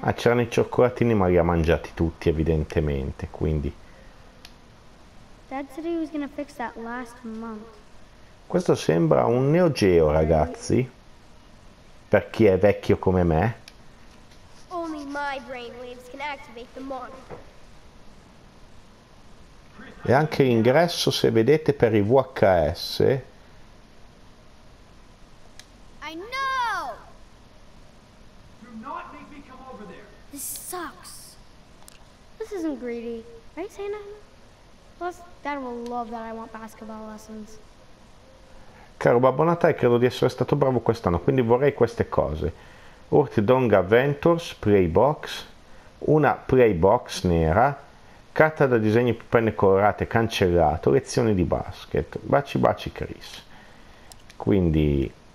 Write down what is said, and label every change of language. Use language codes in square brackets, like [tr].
[it] Ah, c'erano i cioccolatini, ma li ha mangiati tutti, evidentemente, quindi. [en] Dad said he was gonna fix that last month. [it] Questo sembra un Neo Geo, ragazzi. Per chi è vecchio come me. [en] Only my brain waves can activate the monitor. [it] E anche l'ingresso, se vedete, per i VHS. [en] I know! Do not make me come over there. This sucks. This isn't greedy, right, Santa? Plus, Dad will love that I want basketball lessons. [it] Caro Babbo Natale, credo di essere stato bravo quest'anno, quindi vorrei queste cose. Urtidong Adventures, Playbox, una Playbox nera, carta da disegno per penne colorate cancellato, lezioni di basket. Baci baci Chris. Quindi...